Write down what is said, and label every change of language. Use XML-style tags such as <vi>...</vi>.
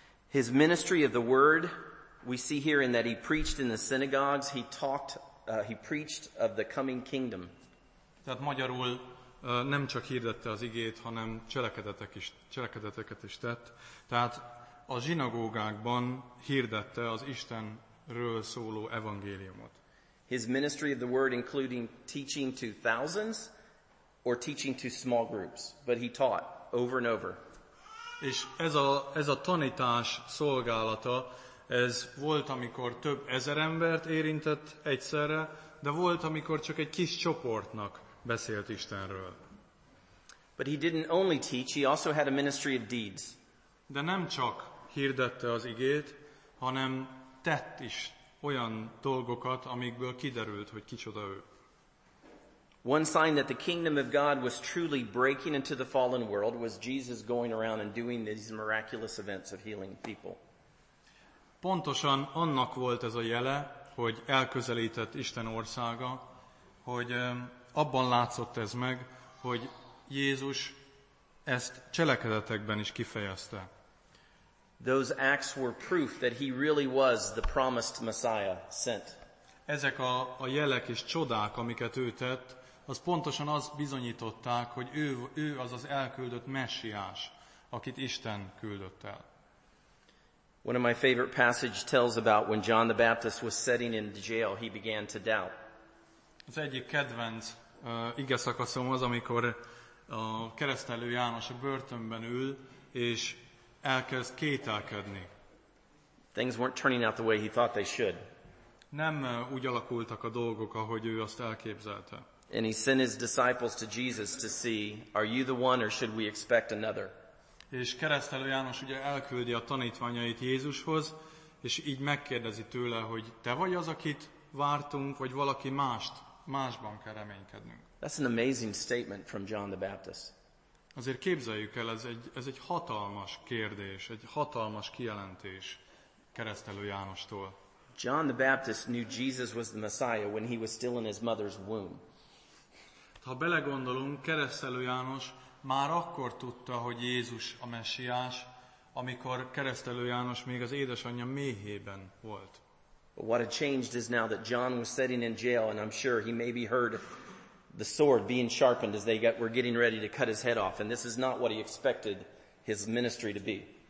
<en>His ministry of the word, we see here in that he preached in the synagogues, he talked, he preached of the coming kingdom.</en> <hu>Tehát magyarul nem csak hirdette az igét, hanem cselekedeteket is tett. Tehát a zsinagógákban hirdette az Istenről szóló evangéliumot.</hu> <en>His ministry of the word including teaching to thousands or teaching to small groups, but he taught over and over.</en> <hu>És ez a tanítás szolgálata, ez volt, amikor több ezer embert érintett egyszerre, de volt, amikor csak egy kis csoportnak beszélt Istenről.</hu> <en>But he didn't only teach, he also had a ministry of deeds.</en> <hu>De nem csak hirdette az igét, hanem tett is olyan dolgokat, amikből kiderült, hogy kicsoda ő.</hu> <en>One sign that the kingdom of God was truly breaking into the fallen world was Jesus going around and doing these miraculous events of healing people.</en> <hu>Pontosan annak volt ez a jele, hogy elközelített Isten országa, hogy abban látszott ez meg, hogy Jézus ezt cselekedetekben is kifejezte.</hu> <en>Those acts were proof that he really was the promised Messiah sent.</en> <hu>Ezek a jelek és csodák, amiket ő tett, az pontosan azt bizonyították, hogy ő az az elküldött messiás, akit Isten küldött el.</hu> <en>One of my favorite passages tells about when John the Baptist was sitting in the jail, he began to doubt.</en> <hu>Az egyik kedvenc igeszakaszom az, amikor a keresztelő János a börtönben ül, és elkezd kételkedni.</hu> <en>Things weren't turning out the way he thought they should.</en> <hu>Nem úgy alakultak a dolgok, ahogy ő azt elképzelte.</hu> <en>And he sent his disciples to Jesus to see, are you the one or should we expect another?</en> <hu>És keresztelő János ugye elküldi a tanítványait Jézushoz, és így megkérdezi tőle, hogy te vagy az, akit vártunk, vagy valaki másban kell reménykednünk.</hu> <en>That's an amazing statement from John the Baptist.</en> <hu>Azért képzeljük el, ez egy hatalmas kérdés, egy hatalmas kijelentés keresztelő Jánostól.</hu> <en>John the Baptist knew Jesus was the Messiah when he was still in his mother's womb.</en> <hu>Ha belegondolunk, keresztelő János már akkor tudta, hogy Jézus a Messiás, amikor keresztelő János még az édesanyja méhében volt.</hu> <en>But what had changed is now that John was sitting in jail, and I'm sure he maybe heard the sword being sharpened as were getting ready to cut his head off, and this is not what he expected his ministry to be.</en>